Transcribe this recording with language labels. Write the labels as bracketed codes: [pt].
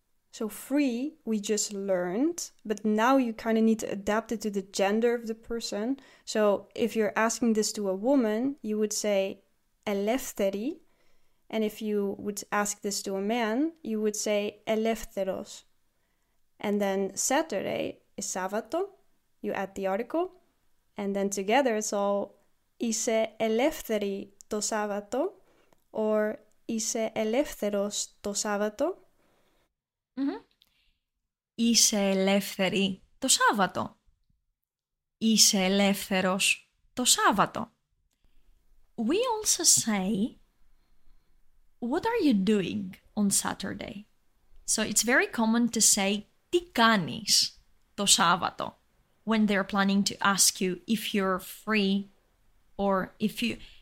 [en] So free, we just learned, but now you kind of need to adapt it to the gender of the person. So if you're asking this to a woman, you would say ελεύθερη. And if you would ask this to a man, you would say ελεύθερος. And then Saturday is Sabato. You add the article. [el] And then together it's all είσαι ελεύθερη το Σάββατο or είσαι ελεύθερος το Σάββατο. Είσαι ελεύθερη το Σάββατο. Είσαι ελεύθερος το Σάββατο. [en] We also say, what are you doing on Saturday? So it's very common to say, [el] τι κάνεις το Σάββατο, [en] when they're planning to ask you if you're free or if you...